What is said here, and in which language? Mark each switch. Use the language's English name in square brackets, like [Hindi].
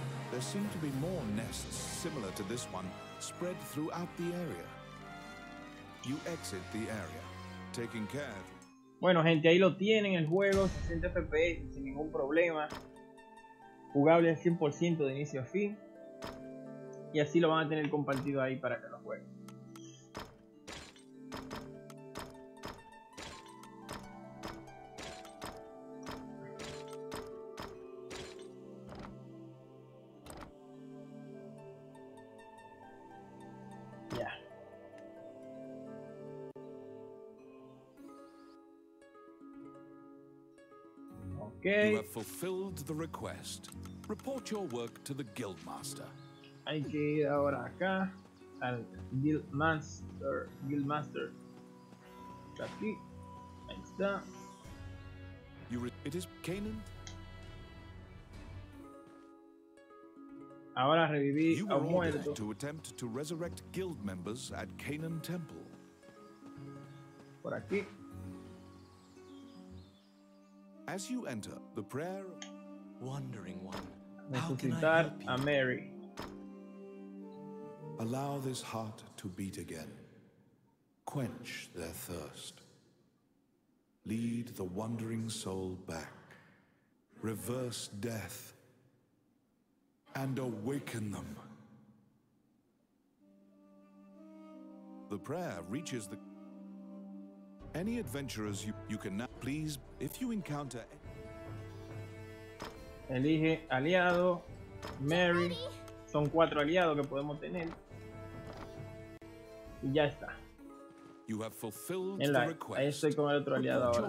[English] There seem to be more nests similar to this one spread throughout the area. You exit the area, taking care. [Spanish] Bueno, gente, ahí lo tienen el juego, 60 FPS sin ningún problema. Jugable al 100% de inicio a fin. Y así lo van a tener compartido ahí para que lo jueguen. [English] Okay. You have fulfilled the request. Report your work to the Guildmaster. [Spanish] Hay que ir ahora acá al Guildmaster. Guildmaster. Aquí. Ahí está. [English] It is Kanan. [Spanish] Ahora reviví a un muerto. [English] You were to attempt to resurrect guild members at Kanan Temple. [Spanish] Por aquí. [English] As you enter the prayer, wandering one, [Spanish] resucitar a Mary. [English] Allow this heart to beat again. Quench their thirst. Lead the wandering soul back. Reverse death. And awaken them. The prayer reaches the... Any adventurers you can now please, if you encounter... [Spanish] Elige aliado, Mary. Son cuatro aliados que podemos tener. Y ya está. [English] You have fulfilled [Spanish] la, [English] the request. [Spanish] Ahí estoy con el otro aliado ahora.